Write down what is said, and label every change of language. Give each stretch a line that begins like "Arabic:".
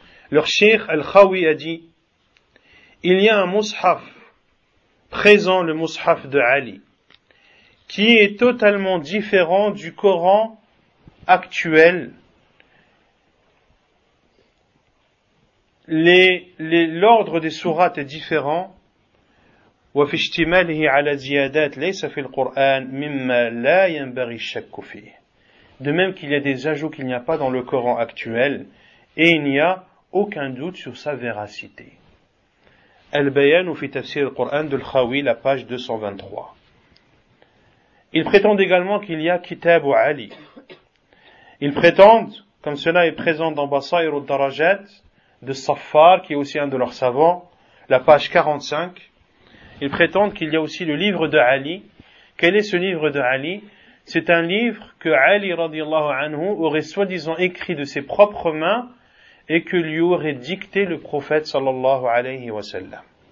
French: Leur cheikh Al-Khawi a dit, il y a un Mus'haf présent, le Mus'haf de Ali. qui est totalement différent du Coran actuel. L'ordre des sourates est différent.
Arabic: وفي اشتماله على زيادات ليس في القرآن مما لا ينبغي الشك فيه.
French: De même qu'il y a des ajouts qu'il n'y a pas dans le Coran actuel, et il n'y a aucun doute sur sa véracité.
Arabic: البيان في تفسير القرآن للخوي,
French: la page 223. Il prétend également qu'il y a Kitab Ali. Il prétend, comme cela est présent dans Basair al-Darajat de Safar, qui est aussi un de leurs savants, la page 45, il prétend qu'il y a aussi le livre de Ali. Quel est ce livre de Ali? C'est un livre que Ali radiallahu anhu aurait soi-disant écrit de ses propres mains et que lui aurait dicté le prophète sallallahu alayhi wa sallam.